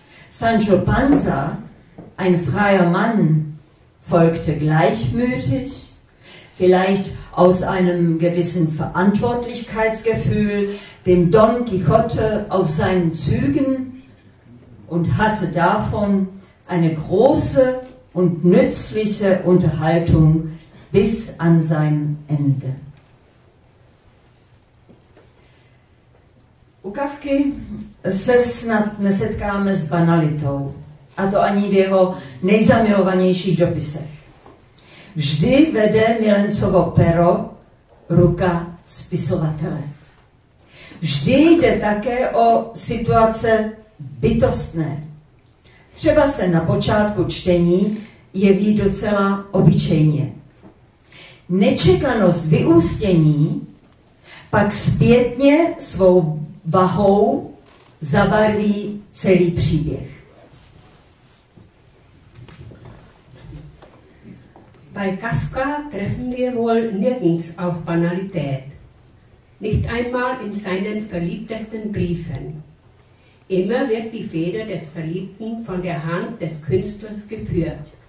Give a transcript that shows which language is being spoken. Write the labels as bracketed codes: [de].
[de] Sancho Panza, ein freier Mann, folgte gleichmütig, vielleicht aus einem gewissen Verantwortlichkeitsgefühl, dem Don Quixote auf seinen Zügen und hatte davon eine große und nützliche Unterhaltung bis an sein Ende. [cs] U Kafky se snad nesetkáme s banalitou, a to ani v jeho nejzamilovanějších dopisech. Vždy vede milencovo pero ruka spisovatele. Vždy jde také o situace bytostné. Třeba se na počátku čtení jeví docela obyčejně. Nečekanost vyústění pak zpětně svou vahou zabarví celý příběh. [de] Bei Kafka treffen wir wohl nirgends auf Banalität, nicht einmal in seinen verliebtesten Briefen. Immer wird die Feder des Verliebten von der Hand des Künstlers geführt.